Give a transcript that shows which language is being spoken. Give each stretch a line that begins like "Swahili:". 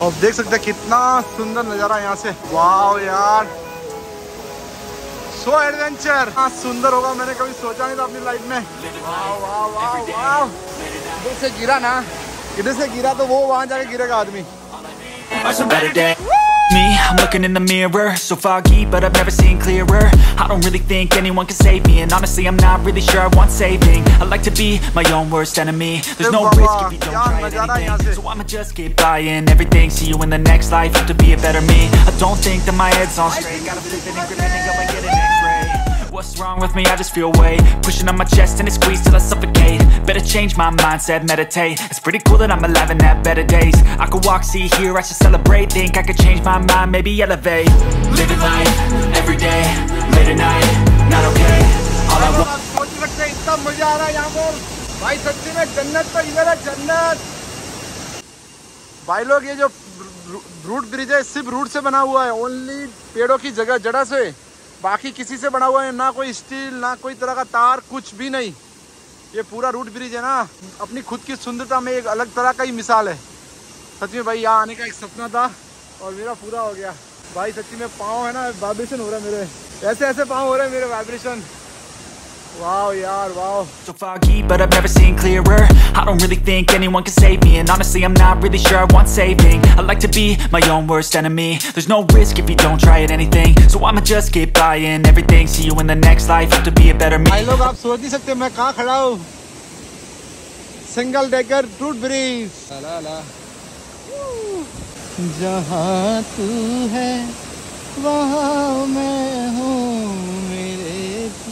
Hindi: और देख सकते हैं कितना सुंदर नज़ारा है यहाँ से। वाओ यार सो एडवेंचर, हाँ सुंदर होगा, मैंने कभी सोचा नहीं था अपनी लाइफ में। वाह इधर से गिरा ना, इधर से गिरा तो वो वहां जाके गिरेगा आदमी।
English: Me, I'm looking in the mirror, so foggy, but I've never seen clearer. I don't really think anyone can save me, and honestly, I'm not really sure I want saving. I like to be my own worst enemy. There's no risk if you don't try anything, so I'ma just keep buying everything. See you in the next life, have to be a better me. I don't think that my head's on straight. Gotta flip it and grip it and go and get it. What's wrong with me? I just feel weight pushing on my chest and it squeezes till I suffocate. Better change my mindset, meditate. It's pretty cool that I'm alive and have better days. I could walk, see, hear, I should celebrate. Think I could change my mind, maybe elevate. Living life, every day, late at night, not okay. All I want. I love it. I'm so happy here. Bro, honestly, it's paradise. Bro, guys, this root bridge is only made from roots. Only from the roots, from the roots.
Hindi: बाकी किसी से बना हुआ है ना, कोई steel ना कोई तरह का तार, कुछ भी नहीं। ये पूरा रूट ब्रिज है ना, अपनी खुद की सुंदरता में एक अलग तरह का ही मिसाल है। सच में भाई यहाँ आने का एक सपना था और मेरा पूरा हो गया। भाई सच में पाँव है ना वाइब्रेशन हो रहा है मेरे, ऐसे ऐसे पाँव हो रहे हैं मेरे vibration.
English: Wow, yeah, wow. So foggy, but I've never seen clearer. I don't really think anyone can save me, and honestly, I'm not really sure I want saving. I like to be my own worst enemy. There's no risk if you don't try at anything. So I'ma just keep buying everything. See you in the next life. Have to be a better me.
Hindi: भाई लोग आप सोच नहीं सकते मैं कहाँ खड़ा हूँ।
English: Single decker, root bridge. Lala.
Hindi: जहाँ तू है, वहाँ मैं हूँ मेरे।